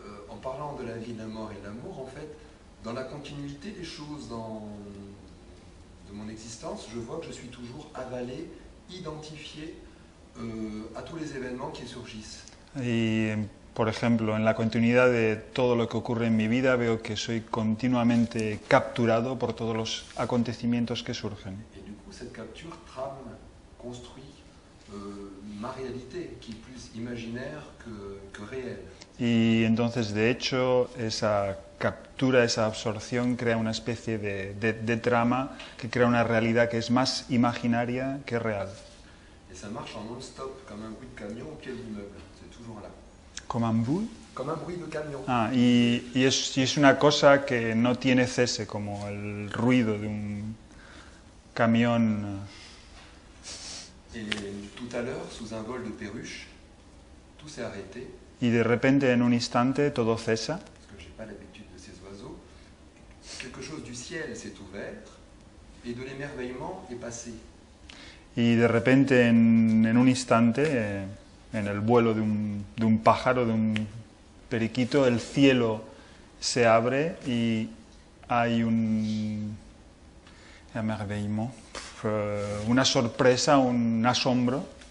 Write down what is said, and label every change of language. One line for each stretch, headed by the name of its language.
French: En parlant de la vie, la mort et l'amour, en fait, dans la continuité des choses de mon existence, je vois que je suis toujours avalé, identifié à tous les événements qui surgissent.
Spanish: Por ejemplo, en la continuidad de todo lo que ocurre en mi vida, veo que soy continuamente capturado por todos los acontecimientos que surgen.
French: Y du coup, cette capture trame, construit ma réalité, qui est plus imaginaire que réelle.
Spanish: Y entonces, de hecho, esa captura, esa absorción, crea una especie de trama que crea una realidad que es más imaginaria que real.
French: Y ça marche en non-stop, comme un bruit de camión au pied de l'immeuble. C'est toujours là. Comme un bruit. Comme un bruit de camion.
Spanish: Ah, y es una cosa que no tiene cese, como el ruido de un camión.
French: Et tout à l'heure, sous un vol de perruche, tout s'est arrêté.
Spanish: Y de repente, en un instante, todo cesa.
French: Parce que je n'ai pas l'habitude de ces oiseaux. Quelque chose du ciel s'est ouvert, et de l'émerveillement est passé.
Spanish: Y de repente, en un instante... En el vuelo de un pájaro, de un periquito, el cielo se abre y hay un émerveillement, una sorpresa, un asombro.